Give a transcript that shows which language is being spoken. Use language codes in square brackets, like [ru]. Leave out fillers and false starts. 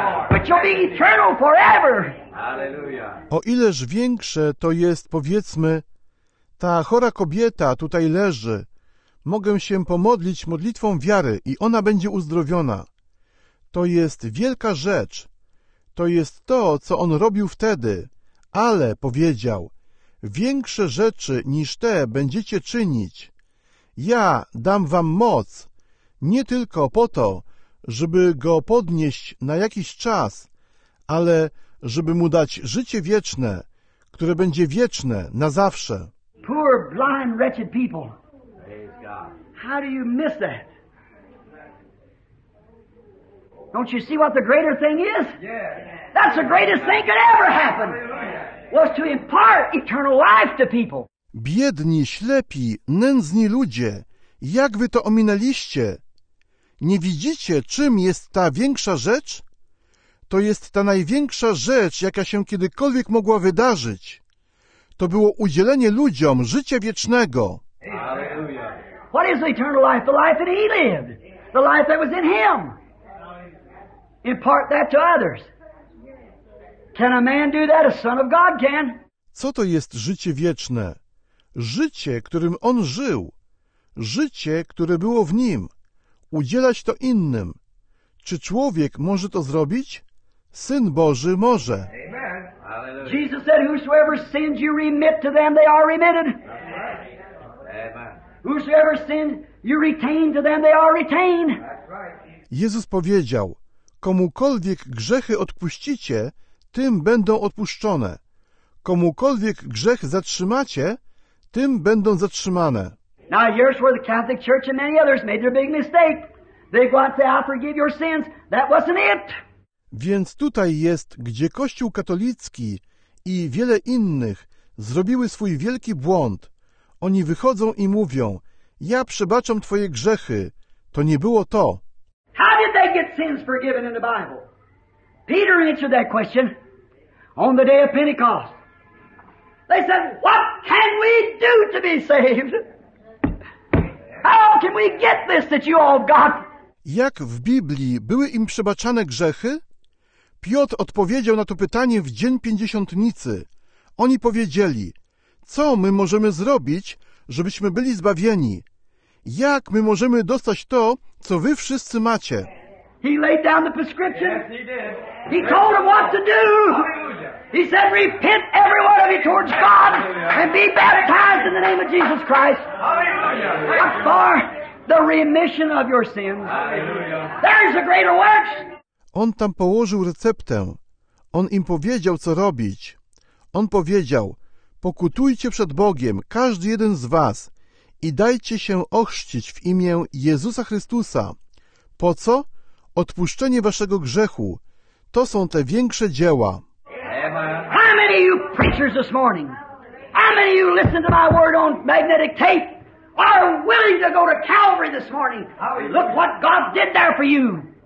[en] But you'll be eternal forever. [pl] O ileż większe to jest, powiedzmy, ta chora kobieta tutaj leży. Mogę się pomodlić modlitwą wiary i ona będzie uzdrowiona. To jest wielka rzecz. To jest to, co on robił wtedy, ale powiedział, większe rzeczy niż te będziecie czynić. Ja dam wam moc, nie tylko po to, żeby go podnieść na jakiś czas, ale żeby mu dać życie wieczne, które będzie wieczne na zawsze. [en] Poor, blind, wretched people. How do you miss that? Don't you see what the greater thing is? Yes. That's the greatest thing that ever happened. Was to impart eternal life to people. [pl] Biedni, ślepi, nędzni ludzie, jak wy to ominęliście? Nie widzicie, czym jest ta większa rzecz? To jest ta największa rzecz, jaka się kiedykolwiek mogła wydarzyć. To było udzielenie ludziom życia wiecznego. [en] Hallelujah. What is eternal life? The life that he lived. The life that was in him. Impart that to others. Can a man do that? A son of God can. [pl] Co to jest życie wieczne? Życie, którym on żył. Życie, które było w nim. Udzielać to innym. Czy człowiek może to zrobić? Syn Boży może. [en] Amen. Jesus said, whosoever sins you remit to them, they are remitted. Amen. Whosoever sins you retain to them, they are retained. [pl] Jezus powiedział, komukolwiek grzechy odpuścicie, tym będą odpuszczone. Komukolwiek grzech zatrzymacie, tym będą zatrzymane. [en] Now here's where the Catholic Church and many others made their big mistake. They go out and say, I forgive your sins. That wasn't it. [pl] Więc tutaj jest, gdzie Kościół katolicki i wiele innych zrobiły swój wielki błąd. Oni wychodzą i mówią, ja przebaczam twoje grzechy. To nie było to. [en] How did they get sins forgiven in the Bible? Peter answered that question on the day of Pentecost. They said, what can we do to be saved? How can we get this that you all got? [pl] Jak w Biblii były im przebaczane grzechy? Piotr odpowiedział na to pytanie w dzień Pięćdziesiątnicy. Oni powiedzieli, co my możemy zrobić, żebyśmy byli zbawieni? Jak my możemy dostać to, co wy wszyscy macie? [en] He laid down the prescription. Yes, he did. He told them what to do. He said, repent every one of you towards God and be baptized in the name of Jesus Christ. Hallelujah. For the remission of your sins. Hallelujah. There's a greater works. [pl] On tam położył receptę. On im powiedział, co robić. On powiedział, pokutujcie przed Bogiem, każdy jeden z was, i dajcie się ochrzcić w imię Jezusa Chrystusa. Po co? Odpuszczenie waszego grzechu. To są te większe dzieła. [en] How many of you preachers this morning? How many of you listen to my word on magnetic tape? Are willing to go to Calvary this morning? Look what God did there for you.